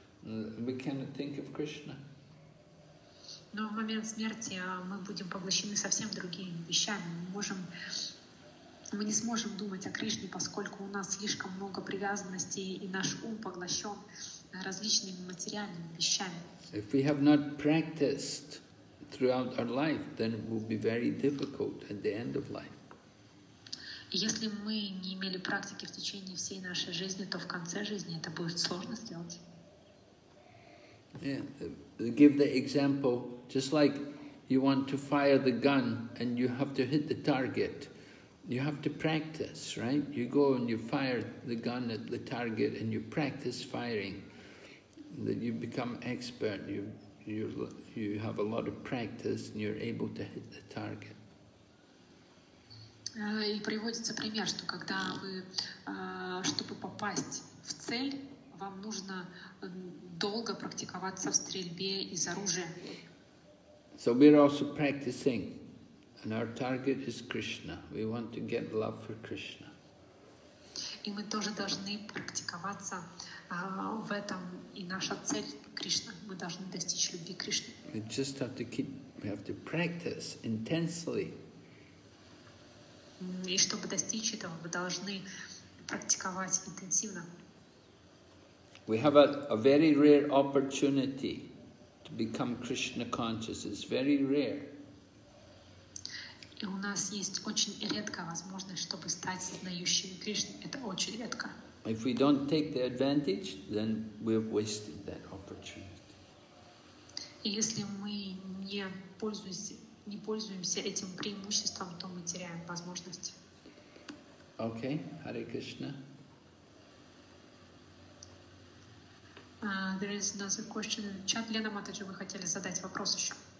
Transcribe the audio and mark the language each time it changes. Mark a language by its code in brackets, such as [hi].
[en] We cannot think of Krishna. [ru] Но в момент смерти мы будем поглощены совсем другими вещами. Мы не сможем думать о Кришне, поскольку у нас слишком много привязанностей и наш ум поглощен различными материальными вещами. [en] If we have not practiced throughout our life, then it will be very difficult at the end of life. [ru] Если мы не имели практики в течение всей нашей жизни, то в конце жизни это будет сложно сделать. [en] Yeah, give the example, just like you want to fire the gun and you have to hit the target, you have to practice, right? You go and you fire the gun at the target and you practice firing, then you become expert, you have a lot of practice and you're able to hit the target. [ru] И приводится пример, что когда вы, чтобы попасть в цель, вам нужно долго практиковаться в стрельбе из оружия. [en] So we're also practicing, and our target is Krishna. We want to get love for Krishna. [ru] И мы тоже должны практиковаться в этом, и наша цель Кришна. Мы должны достичь любви Кришны. [en] We just have to keep. We have to practice intensely. [ru] И чтобы достичь этого, мы должны практиковать интенсивно. [en] We have a very rare opportunity to become Krishna conscious. It's very rare. [ru] И у нас есть очень редкая возможность, чтобы стать знающим Кришну. Это очень редко. [en] If we don't take the advantage, then we've wasted that opportunity. [ru] И если мы не пользуемся этим преимуществом, то мы теряем возможность. [en] Okay, Hare Krishna. There is another question. [ru] Чат, Лена Матаджи, вы хотели задать вопрос еще?